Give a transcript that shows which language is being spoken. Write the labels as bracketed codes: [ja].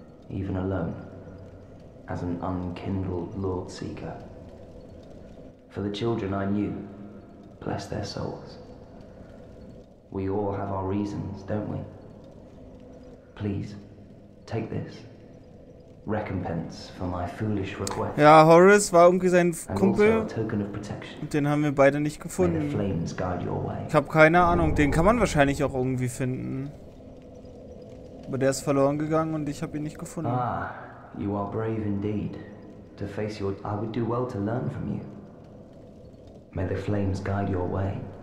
[en] even alone, as an unkindled Lord Seeker. For the children I knew, bless their souls. We all have our reasons, don't we? Please, take this. Recompense for my foolish request. [de] Ja, Horace war irgendwie sein Kumpel. Und den haben wir beide nicht gefunden. Ich habe keine Ahnung, den kann man wahrscheinlich auch irgendwie finden. Aber der ist verloren gegangen und ich habe ihn nicht gefunden. [en] Ah, you are brave indeed. To face your... I would do well to learn from you. May the flames guide your way.